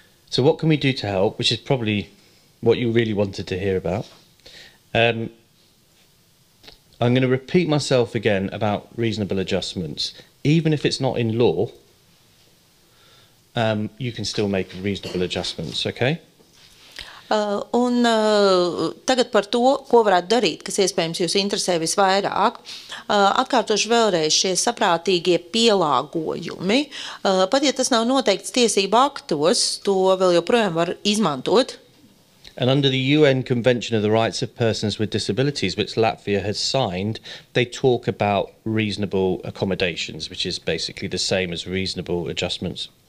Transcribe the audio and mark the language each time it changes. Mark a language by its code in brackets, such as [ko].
[en] So what can we do to help, which is probably what you really wanted to hear about? I'm going to repeat myself again about reasonable adjustments. Even if it's not in law, you can still make reasonable adjustments, okay? [lv] Un tagad par to, ko varētu darīt, kas iespējams jūs interesē visvairāk. Atkārtošu vēlreiz šie saprātīgie pielāgojumi. Pat ja tas nav noteikts tiesību aktos, to vēl joprojām var izmantot. [en] And under the UN Convention of the Rights of Persons with Disabilities, which Latvia has signed, they talk about reasonable accommodations, which is basically the same as reasonable adjustments.